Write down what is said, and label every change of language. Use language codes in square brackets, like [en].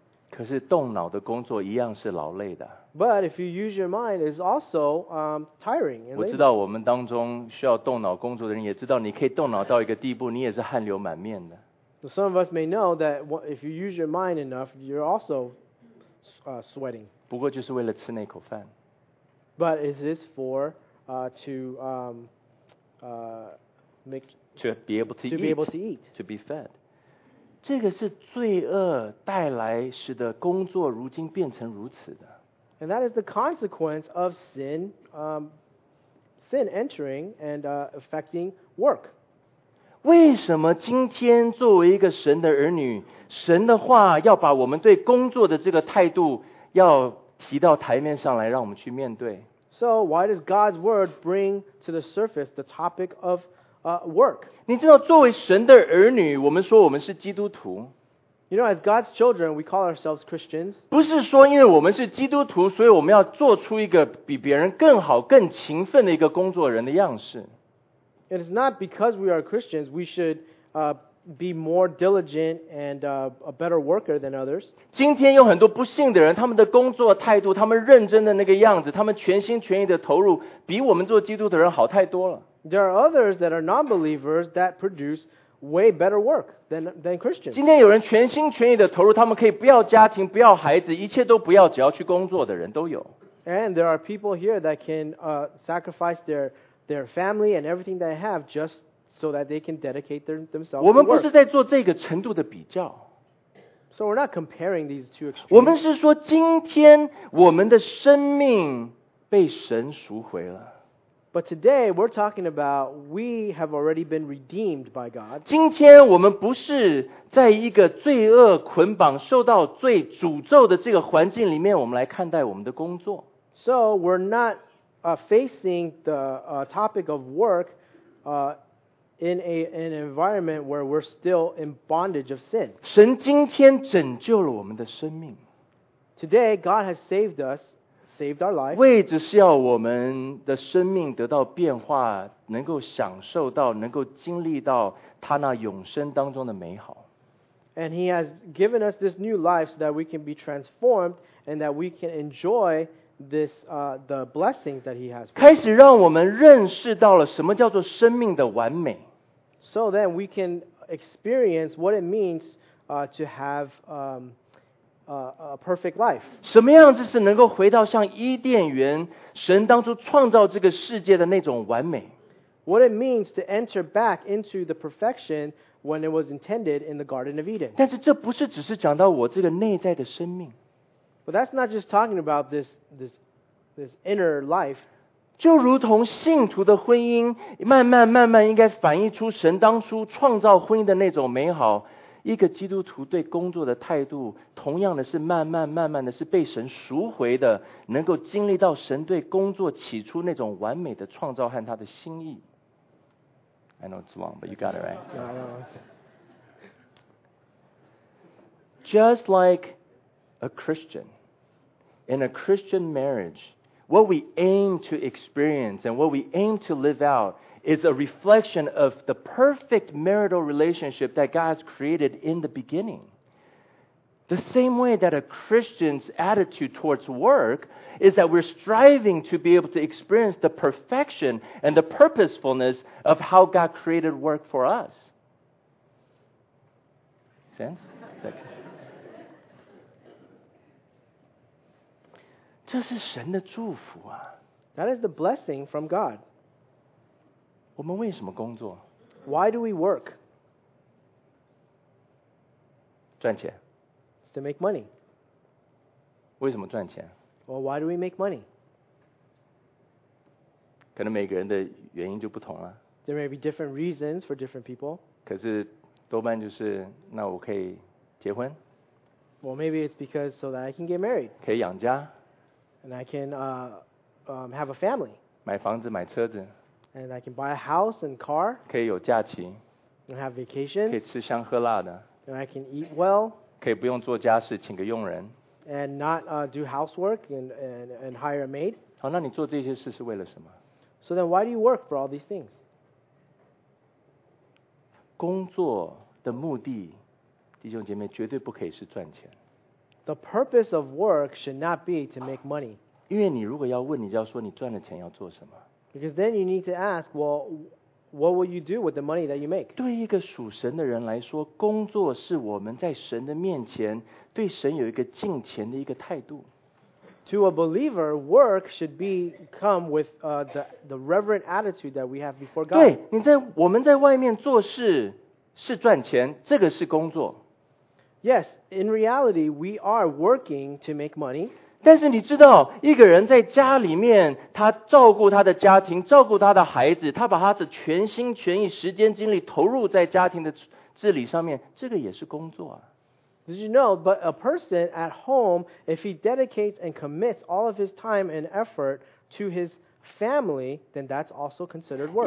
[zh] 可是动脑的工作一样是劳累的。 [en] But if you use your mind, it's also tiring. [zh] 我知道我们当中需要动脑工作的人也知道你可以动脑到一个地步你也是汗流满面的。 [en] So some of us may know that if you use your mind enough, you're also sweating. [zh] 不过就是为了吃那口饭。 [en] But it is for to be able to eat. To be fed. [zh] 这个是罪恶带来使得工作如今变成如此的。 [en] And that is the consequence of sin, sin entering and affecting work. [zh] 为什么今天作为一个神的儿女，神的话要把我们对工作的这个态度要提到台面上来，让我们去面对 [en] ？So why does God's word bring to the surface the topic of work. [zh] 你知道作为神的儿女我们说我们是基督徒 [en] You know, as God's children, we call ourselves Christians. [zh] 不是说因为我们是基督徒所以我们要做出一个比别人更好更勤奋的一个工作人的样式 [en] It is not because we are Christians, we should be more diligent and a better worker than others. [zh] 今天有很多不幸的人他们的工作态度他们认真的那个样子他们全心全意的投入比我们做基督的人好太多了 [en] There are others that are non-believers that produce way better work than Christians. [zh] 今天有人全心全意的投入，他们可以不要家庭，不要孩子，一切都不要，只要去工作的人都有。 [en] And there are people here that can sacrifice their family and everything they have just so that they can dedicate themselves to work. [zh] 我们不是在做这个程度的比较。 [en] So we're not comparing these two extremes. [zh] 我们是说今天我们的生命被神赎回了。 [en] But today, we're talking about we have already been redeemed by God. [zh] 今天我们不是在一个罪恶捆绑受到罪诅咒的这个环境里面我们来看待我们的工作。 [en] So we're not facing the topic of work in an environment where we're still in bondage of sin. [zh] 神今天拯救了我们的生命。 [en] Today, God has saved us. Saved our life. [zh] 为只是要我们的生命得到变化，能够享受到，能够经历到他那永生当中的美好。 [en] And he has given us this new life so that we can be transformed and that we can enjoy this the blessings that he has. [zh] 开始让我们认识到了什么叫做生命的完美。 [en] So then we can experience what it means to have a perfect life. [zh] 什么样子是能够回到像伊甸园神当初创造这个世界的那种完美？ [en] What it means to enter back into the perfection when it was intended in the Garden of Eden. [zh] 但是这不是只是讲到我这个内在的生命。 [en] But that's not just talking about this inner life. [zh] 就如同信徒的婚姻慢慢慢慢应该反映出神当初创造婚姻的那种美好，一个基督徒对工作的态度同样的是慢慢慢慢的是被神赎回的，能够经历到神对工作起初那种完美的创造和他的心意。 [en] I know it's long, but you got it right. Just like a Christian, in a Christian marriage, what we aim to experience and what we aim to live outis a reflection of the perfect marital relationship that God's created in the beginning. The same way that a Christian's attitude towards work is that we're striving to be able to experience the perfection and the purposefulness of how God created work for us. Sense? [zh] 这是神的祝福啊。 [en] That is the blessing from God. [zh] 我们为什么工作？ [en] Why do we work? [zh] 赚钱。 [en] It's to make money. [zh] 为什么赚钱？ [en] Well, why do we make money? [zh] 可能每个人的原因就不同了。 [en] There may be different reasons for different people. [zh] 可是多半就是，那我可以结婚。 [en] Well, maybe it's because so that I can get married. [zh] 可以养家。 [en] And I can have a family. [zh] 买房子，买车子。 [en] And I can buy a house and car. [zh] 可以有假期。 [en] And have vacations. [zh] 可以吃香喝辣的。 [en] And I can eat well. [zh] 可以不用做家事，请个佣人。 [en] And not do housework and hire a maid. [zh] 好，那你做这些事是为了什么？ [en] So then why do you work for all these things? [zh] 工作的目的，弟兄姐妹，绝对不可以是赚钱。 [en] The purpose of work should not be to make money. [zh] 因为你如果要问，你就要说你赚了钱要做什么。 [en] Because then you need to ask, well, what will you do with the money that you make? [zh] 对一个属神的人来说，工作是我们在神的面前对神有一个敬虔的一个态度。 [en] To a believer, work should be come with the reverent attitude that we have before God. [zh] 对，你在我们在外面做事是赚钱，这个是工作。 [en] Yes, in reality, we are working to make money. [zh] 但是你知道，一个人在家里面，他照顾他的家庭，照顾他的孩子，他把他的全心全意、时间精力投入在家庭的治理上面，这个也是工作啊。 [en] Did you know? But a person at home, if he dedicates and commits all of his time and effort to his family, then that's also considered work.